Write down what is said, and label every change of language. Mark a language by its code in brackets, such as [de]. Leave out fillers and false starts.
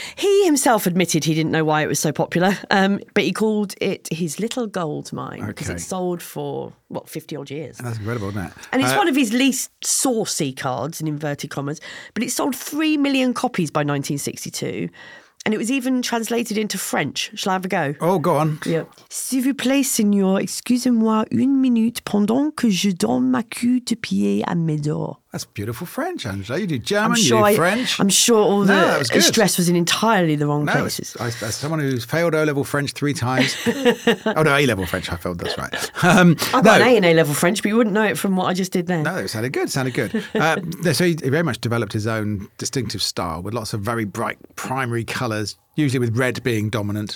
[en] He himself admitted he didn't know why it was so popular, but he called it his little gold mine because it sold for, what, 50-odd years. That's incredible, isn't it? And it's one of his least saucy cards, in inverted commas, but it sold 3 million copies by 1962, and it was even translated into French. Shall I have a go? Oh, go on. Yeah. [fr] S'il vous plaît, seigneur, excusez-moi une minute pendant que je donne ma queue de pied à Médor. [en] That's beautiful French, Angela. You do German, French. I'm sure all the stress was in entirely the wrong places. As someone who's failed O-level French 3 times. Oh, no, A-level French I failed, that's right. I got an A in A-level French, but you wouldn't know it from what I just did then. No, it sounded good, so he very much developed his own distinctive style with lots of very bright primary colours, usually with red being dominant.